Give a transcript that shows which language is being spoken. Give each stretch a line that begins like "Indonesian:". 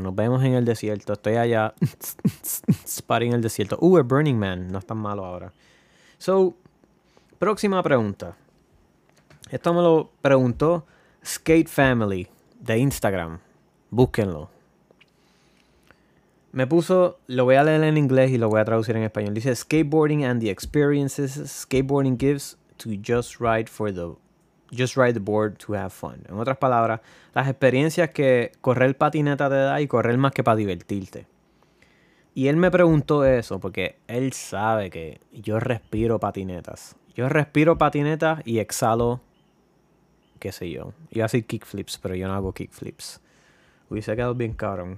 Spanish: Nos vemos en el desierto. Estoy allá. Spotting en el desierto. A Burning Man. No es tan malo ahora. So, próxima pregunta. Esto me lo preguntó Skate Family de Instagram. Búsquenlo. Me puso, lo voy a leer en inglés y lo voy a traducir en español. Dice,
English: skateboarding and the experiences skateboarding gives to just ride the board to have fun.
Spanish: En otras palabras, las experiencias que correr patineta te da y correr más que para divertirte. Y él me preguntó eso porque él sabe que yo respiro patinetas. Yo respiro patinetas y exhalo, qué sé yo. Yo hago kickflips, pero yo no hago kickflips. Hubiese quedado bien cabrón.